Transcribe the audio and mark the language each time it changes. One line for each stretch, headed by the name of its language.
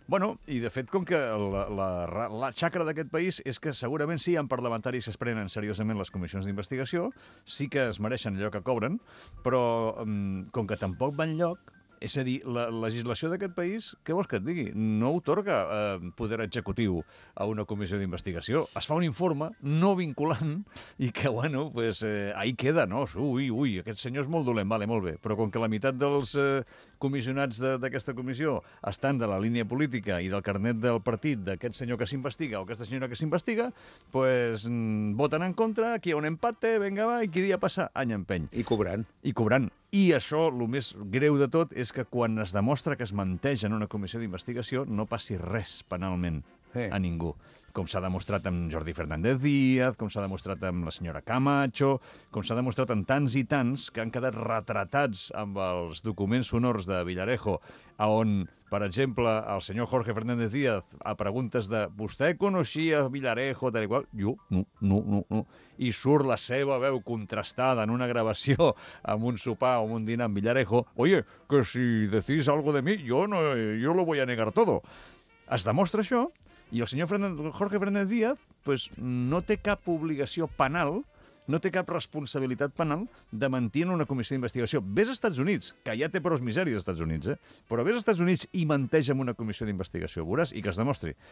Catalan: Bueno, i de fet, com que la xacra d'aquest país és que segurament sí, hi ha parlamentaris que es prenen seriosament les comissions d'investigació, sí que es mereixen allò que cobren, però com que tampoc van lloc, és a dir, la legislació d'aquest país, què vols que et digui? No otorga poder executiu a una comissió d'investigació. Es fa un informe no vinculant i que, bueno, pues,
Spanish: ahí queda,
Catalan: no? Ui, aquest senyor és molt dolent, vale, molt bé. Però com que la meitat dels comissionats d'aquesta comissió estan de la línia política i del carnet del partit d'aquest senyor que s'investiga o aquesta senyora que s'investiga, pues, voten en contra, aquí hi ha un empate, venga, va, i qui dia passa, any empeny. I cobrant. I això, el més greu de tot, és que quan es demostra que es menteix en una comissió d'investigació, no passi res penalment a ningú. Com s'ha demostrat amb Jordi Fernández Díaz, com s'ha demostrat amb la senyora Camacho, com s'ha demostrat amb tants i tants que han quedat retratats amb els documents sonors de Villarejo, on, per exemple, el senyor Jorge Fernández Díaz, a preguntes de «Vostè coneixia Villarejo?», tal i qual, jo, no. I surt la seva veu contrastada en una gravació amb un sopar o un dinar amb Villarejo.
Spanish: «Oye, que si decís algo de mi, yo lo voy a negar todo».
Catalan: Es demostra això i el senyor Jorge Fernández Díaz pues, no té cap obligació penal, no té cap responsabilitat penal de mentir en una comissió d'investigació. Ves als Estats Units, que ja té prous misèries als Estats Units, però ves als Estats Units i menteix en una comissió d'investigació, veuràs, i que es demostri.